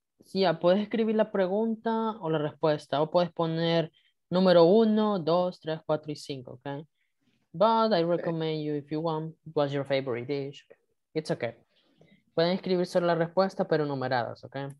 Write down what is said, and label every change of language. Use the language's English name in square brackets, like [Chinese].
[Spanish] Sí, yeah, puedes escribir la pregunta o la respuesta. O puedes poner número 1, 2, 3, 4 y 5, ¿ok? [English] But I recommend you, if you want, what's your favorite dish. It's okay. [Spanish] Pueden escribir solo la respuesta, pero numeradas, ¿ok?